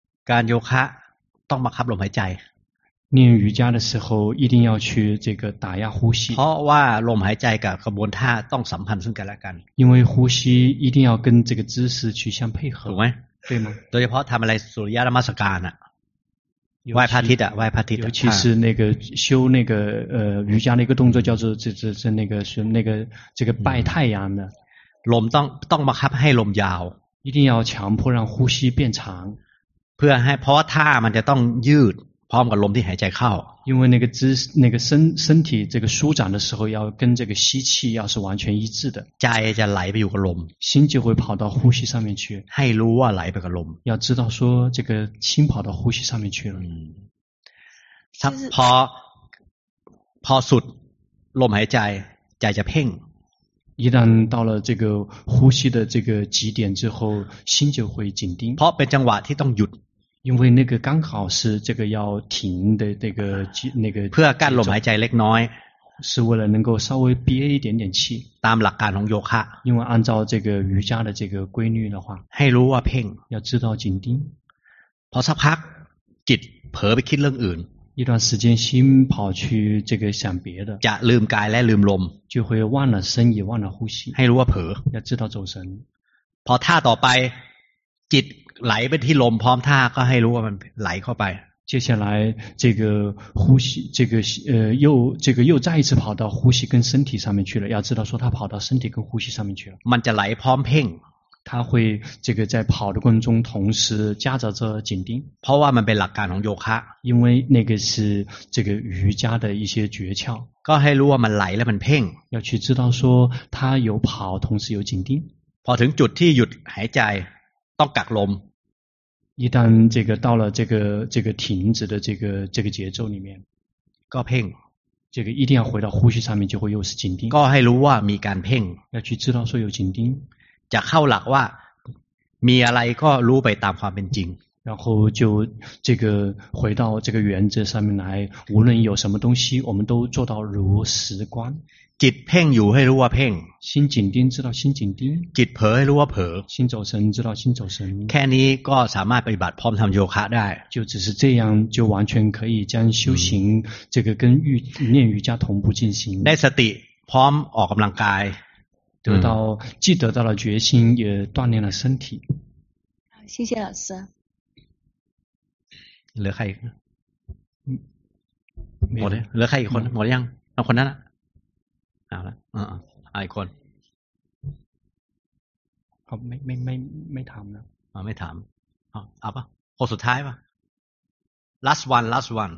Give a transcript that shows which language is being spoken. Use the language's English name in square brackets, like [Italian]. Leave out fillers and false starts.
[Thai] การโยคะต้องบังคับลมหายใจ [Chinese] 念瑜伽的时候一定要去这个打压呼吸 [Thai] เพราะว่าลมหายใจกับกระบวนท่าต้องสัมพันธ์ซึ่งกันและกัน [Chinese] 因为呼吸一定要跟这个姿势去相配合 [Thai] ถูกไหม [Chinese] 对吗 [Thai] โดยเฉพาะทำอะไรสุริยนมัสการอะไหว้พระอาทิตย์อ่ะไหว้พระอาทิตย์ [Chinese] 尤其是那个修那个瑜伽那个动作叫做这那个是那个这个拜太阳的 [Thai] ลมต้องบังคับให้ลมยาว [Chinese] 一定要强迫让呼吸变长 [Thai] เพื่อให้เพราะท่ามันจะต้องยืดพร้อมกับลมที่หายใจเข้า [Chinese] 因为那个身体这个舒展的时候要跟这个吸气要是完全一致的 [Thai] ใจจะไหลไปอยู่กับลม [Chinese] 心就会跑到呼吸上面去 [Thai] ให้รู้ว่าไหลไปกับลม [Chinese] 要知道说这个心跑到呼吸上面去了 [Thai] ถ้าพอสุดลมหายใจใจจะเพ่ง [Chinese] 一旦到了这个呼吸的这个极点之后心就会紧盯 [Thai] เพราะเป็นจังหวะที่ต้องหยุด [Chinese] 因为那个刚好是这个要停的那个 [Thai] เพื่อกั้นลมหายใจเล็กน้อย [Chinese] 是为了能够稍微憋一点点气 [Thai] ตามหลักการของโยคะ [Chinese] 因为按照这个瑜伽的这个规律的话 [Thai] ให้รู้ว่าเพ่ง [Chinese] 要知道紧盯 [Thai] พอสักพักจิตเผลอไปคิดเรื่องอื่น [Chinese] 一段时间心跑去这个想别的 [Thai] จะลืมกายและลืมลม [Chinese] 就会忘了身也忘了呼吸 [Thai] ให้รู้ว่าเผลอ [Chinese] 要知道走神 [Thai] พอท่าต่อไปจิตไหลไปที่ลมพร้อมท่าก็ให้รู้ว่ามันไหลเข้าไป [Chinese] 接下来这个呼吸这个又这个又再一次跑到呼吸跟身体上面去了要知道说它跑到身体跟呼吸上面去了 [Thai] มันจะไหลพร้อมเพ่ง [Chinese] 它会这个在跑的过程中同时夹杂着紧盯 [Thai] เพราะว่ามันเป็นหลักการของโยคะ [Chinese] 因为那个是这个瑜伽的一些诀窍 [Thai] ก็ให้รู้ว่ามันไหลและมันเพ่ง [Chinese] 要去知道说它有跑同时有紧盯 [Thai] พอถึงจุดที่หยุดหายใจต้องกักลม [Chinese] 一旦这个到了这个停止的这个节奏里面，高频，这个一定要回到呼吸上面，就会又是紧盯。 [Thai] 高ให้รู้ว่ามีการเพ่ง， [Chinese] 要去知道说有紧盯。 [Thai] จะเข้าหลักว่ามีอะไรก็รู้ไปตามความเป็นจริง。 [Chinese] 然后就这个回到这个原则上面来，无论有什么东西，我们都做到如实观。 [Thai] จิตเพ่งอยู่ให้รู้ว่าเพ่ง [Chinese] 心紧盯知道心紧盯 [Thai] จิตเผลอให้รู้ว่าเผลอ [Chinese] 心走神知道心走神 [Thai] แค่นี้ก็สามารถปฏิบัติพร้อมทำโยคะได้ [Chinese] 就只是这样就完全可以将修行这个跟练瑜伽同步进行 [Thai] ได้สติพร้อมออกกำลังกาย [Chinese] 得到既得到了决心也锻炼了身体好谢谢老师 [Thai] เหลือใครหมดเลยเหลือใครอีกคนหมดยังเอาคนนั้นเอาละไอ้คน เขาไม่ถามนะ ไม่ถามเอาปะคนสุดท้ายปะ [English] last one